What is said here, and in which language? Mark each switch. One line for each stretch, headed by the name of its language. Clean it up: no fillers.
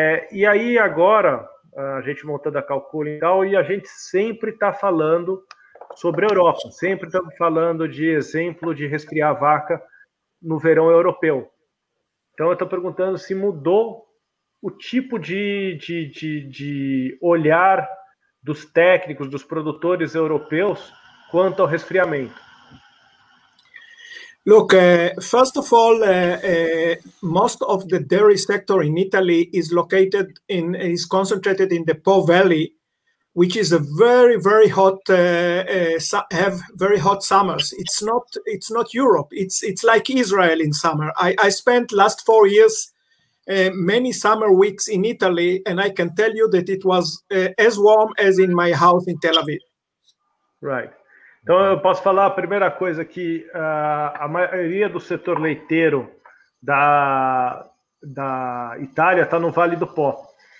Portuguese: E aí agora, a gente montando a Calcula e tal, e a gente sempre está falando sobre Europa, sempre estamos falando de exemplo de resfriar a vaca no verão europeu. Então eu estou perguntando se mudou o tipo de olhar dos técnicos, dos produtores europeus quanto ao resfriamento.
English: Look, first of all, most of the dairy sector in Italy is concentrated in the Po Valley, which is a very, very hot, have very hot summers. It's not Europe. It's like Israel in summer. I spent last 4 years many summer weeks in Italy, and I can tell you that it was as warm as in my house in Tel Aviv. Right.
Portuguese: Então, eu posso falar a primeira coisa, que a maioria do setor leiteiro da Itália está no Vale do Po.